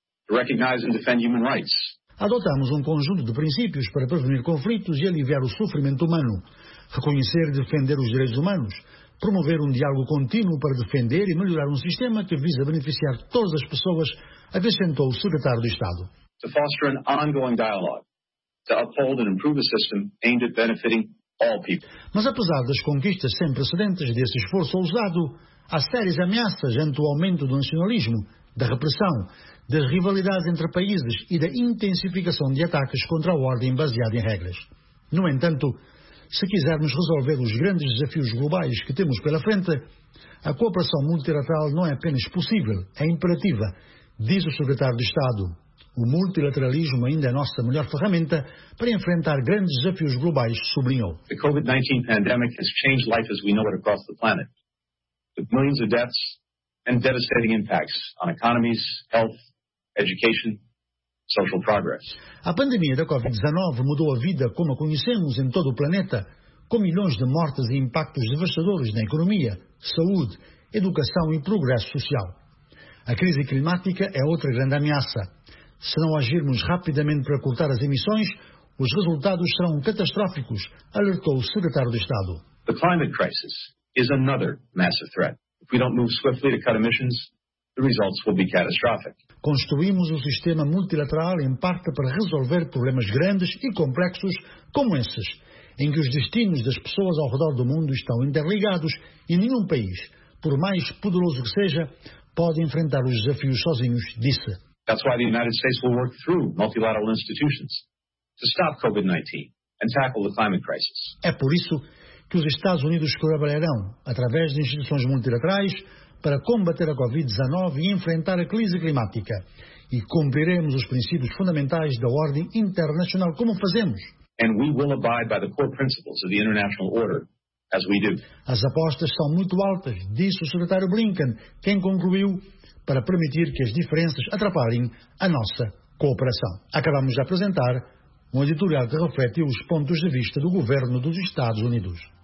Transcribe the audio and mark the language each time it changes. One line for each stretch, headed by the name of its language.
English: Recognize and defend human rights.
Portuguese: Adotamos um conjunto de princípios para prevenir conflitos e aliviar o sofrimento humano, reconhecer e defender os direitos humanos, promover um diálogo contínuo para defender e melhorar um sistema que visa beneficiar todas as pessoas, acrescentou o secretário de Estado.
English: To foster an ongoing dialogue, to uphold and improve a system aimed at benefiting all people.
Portuguese: Mas apesar das conquistas sem precedentes desse esforço ousado, há sérias ameaças ante o aumento do nacionalismo, da repressão, das rivalidades entre países e da intensificação de ataques contra a ordem baseada em regras. No entanto, se quisermos resolver os grandes desafios globais que temos pela frente, a cooperação multilateral não é apenas possível, é imperativa, diz o secretário de Estado. O multilateralismo ainda é a nossa melhor ferramenta para enfrentar grandes desafios globais, sublinhou.
English: The COVID-19 pandemic has changed life as we know it across the planet. With millions of deaths and devastating impacts on economies, health, education, social progress.
Portuguese: A pandemia da Covid-19 mudou a vida como a conhecemos em todo o planeta, com milhões de mortes e impactos devastadores na economia, saúde, educação e progresso social. A crise climática é outra grande ameaça. Se não agirmos rapidamente para cortar as emissões, os resultados serão catastróficos, alertou o secretário de Estado.
English: The climate crisis is another massive threat. If we don't move swiftly to cut emissions, the results will be catastrophic.
Portuguese: Construímos o sistema multilateral em parte para resolver problemas grandes e complexos como esses, em que os destinos das pessoas ao redor do mundo estão interligados e nenhum país, por mais poderoso que seja, pode enfrentar os desafios sozinhos, disse.
English: That's why the United States will work through multilateral institutions to stop COVID-19 and tackle the climate crisis.
Portuguese: É por isso que os Estados Unidos colaborarão através de instituições multilaterais para combater a COVID-19 e enfrentar a crise climática. E cumpriremos os princípios fundamentais da ordem internacional como fazemos.
English: And we will abide by the core principles of the international order as we do.
Portuguese: As apostas são muito altas, disse o secretário Blinken, quem concluiu para permitir que as diferenças atrapalhem a nossa cooperação. Acabamos de apresentar um editorial que reflete os pontos de vista do governo dos Estados Unidos.